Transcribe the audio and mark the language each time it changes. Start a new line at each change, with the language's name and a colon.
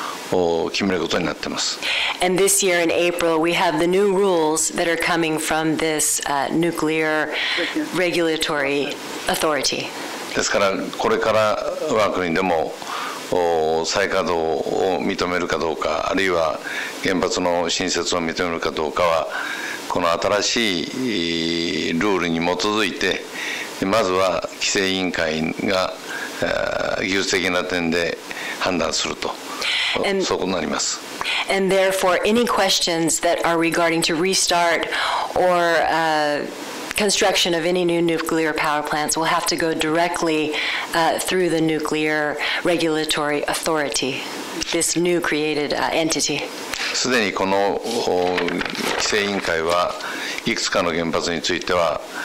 English: And this year in April, we have the new rules that are coming from this nuclear regulatory authority.
Japanese: ですから、これから我が国でも再稼働を認めるかどうか、あるいは原発の新設を認めるかどうかは、この新しいルールに基づいて、まずは規制委員会が技術的な点で判断すると。
English: And therefore, any questions that are regarding to restart or construction of any new nuclear power plants will have to go directly through the Nuclear Regulatory Authority, this new created entity.
Japanese: すでにこの規制委員会はいくつかの原発については